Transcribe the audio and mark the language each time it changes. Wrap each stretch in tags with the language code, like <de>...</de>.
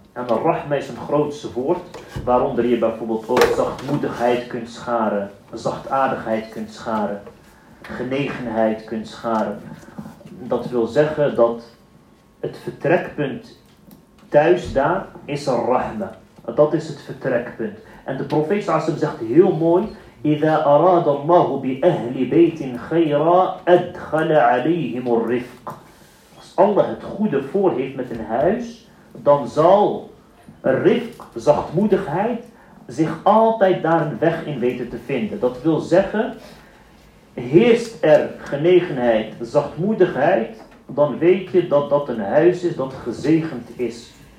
<nl>En ar-rahma is een grootste woord, waaronder je bijvoorbeeld ook zachtmoedigheid kunt scharen, zachtaardigheid kunt scharen, genegenheid kunt scharen. Dat wil zeggen dat het vertrekpunt thuis daar is ar-rahma. Dat is het vertrekpunt.</nl> <ar>En de profeet Sa'asim zegt heel mooi, إِذَا أَرَادَ اللَّهُ بِأَهْلِ بَيْتٍ خَيْرًا أَدْخَلَ عَلَيْهِمُ الرِّفْقِ.</ar> <nl>Als Allah het goede voor heeft met een huis, dan zal rifq, zachtmoedigheid, zich altijd daar een weg in weten te vinden. Dat wil zeggen, heerst er genegenheid, zachtmoedigheid, dan weet je dat dat een huis is dat gezegend is.</nl>